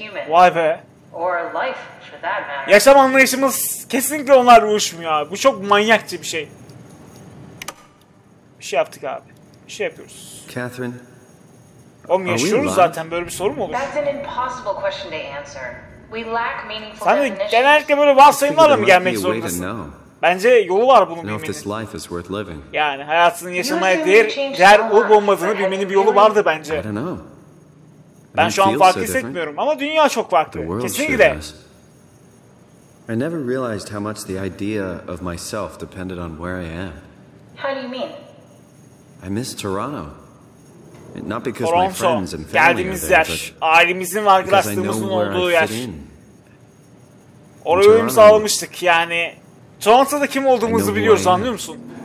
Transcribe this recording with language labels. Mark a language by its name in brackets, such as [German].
[Turkish] Vay be. [English] Or life for that matter. [Turkish] Yaşam anlayışımız kesinlikle onlar uyuşmuyor abi. Bu çok manyakça bir şey. Bir şey yaptık abi. Bir şey yapıyoruz. [English] Catherine, [Turkish] Oğlum yaşıyoruz zaten, böyle bir soru mu olur? [English] That's an impossible question to answer. We lack meaningful [Turkish] sen [English] definitions. [Turkish] Sen genellikle böyle varsayımlarla mı gelmek zorundasın? Bence yolu var bunun bilmenin. Yani hayatının yaşamaya değer olup olmadığını bilmenin bir yolu vardı bence. Ben şu an fark hissetmiyorum ama dünya çok farklı. Kesinlikle. [English] I never realized how much the idea of myself depended on where I am. How do you mean? I miss Toronto. Not because my friends and family are there, [Turkish] yer, ailemizin ve arkadaşlarımızın olduğu yer. Oraya uyum sağlamıştık yani. Toronto'da kim olduğumuzu biliyoruz, anlıyor musun?